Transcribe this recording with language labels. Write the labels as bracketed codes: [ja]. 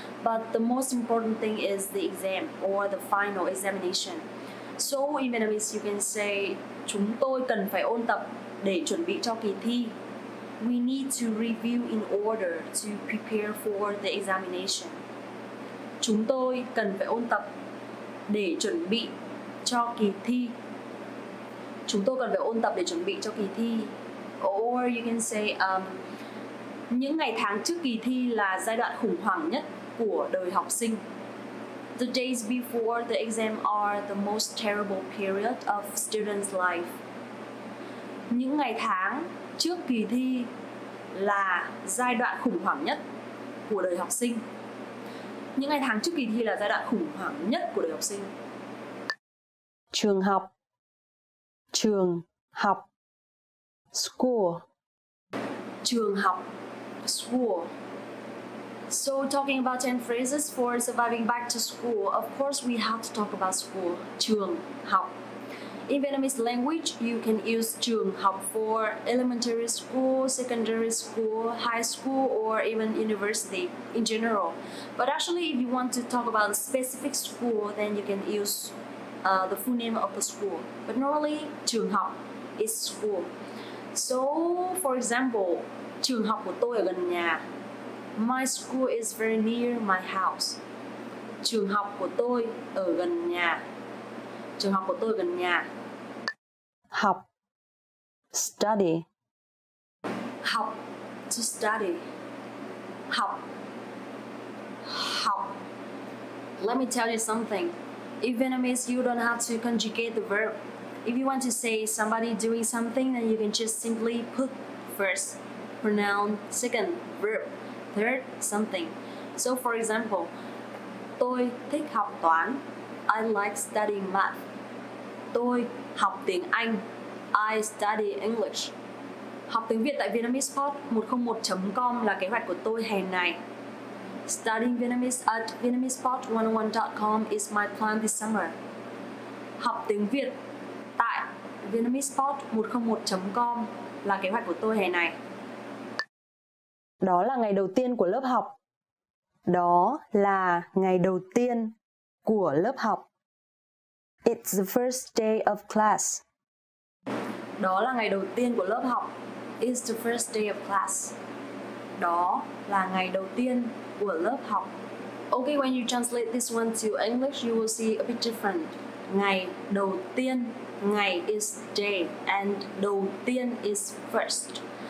[en] But the most important thing is the exam, or the final examination. So in Vietnamese, you can say, [vi] chúng tôi cần phải ôn tập để chuẩn bị cho kỳ thi. [en] We need to review in order to prepare for the examination. [vi] Chúng tôi cần phải ôn tập để chuẩn bị cho kỳ thi. Chúng tôi cần phải ôn tập để chuẩn bị cho kỳ thi. [en] Or you can say, [vi] những ngày tháng trước kỳ thi là giai đoạn khủng hoảng nhất của đời học sinh. [en] The days before the exam are the most terrible period of students' life. [vi] Những ngày tháng trước kỳ thi là giai đoạn khủng hoảng nhất của đời học sinh. Những ngày tháng trước kỳ thi là giai đoạn khủng hoảng nhất của đời học sinh. Trường học. Trường học. School. Trường học. School. [en] So talking about 10 phrases for surviving back to school, of course we have to talk about school. Trường học. In Vietnamese language, you can use trường học for elementary school, secondary school, high school, or even university in general. But actually, if you want to talk about a specific school, then you can use the full name of the school. But normally, trường học is school. So, for example, [vi] trường học của tôi ở gần nhà. [en] My school is very near my house. [vi] Trường học của tôi ở gần nhà. Trường học của tôi gần nhà. Học. Study. Học. To study. Học. Học. [en] Let me tell you something. In Vietnamese, you don't have to conjugate the verb. If you want to say somebody doing something, then you can just simply put first pronoun, second verb, third something. So for example, [vi] tôi thích học toán. [en] I like studying math. [vi] Tôi học tiếng Anh. [en] I study English. [vi] Học tiếng Việt tại VietnamesePod101.com là kế hoạch của tôi hè này. [en] Studying Vietnamese at VietnamesePod101.com is my plan this summer. [vi] Học tiếng Việt tại vietnamesepod101.com là kế hoạch của tôi hè này. Đó là ngày đầu tiên của lớp học. Đó là ngày đầu tiên của lớp học. [en] It's the first day of class. [vi] Đó là ngày đầu tiên của lớp học. [en] It's the first day of class. [vi] Đó là ngày đầu tiên của lớp học. [en] Okay, when you translate this one to English, you will see a bit different. Ngày đầu tiên, ngày is day, and đầu tiên is first.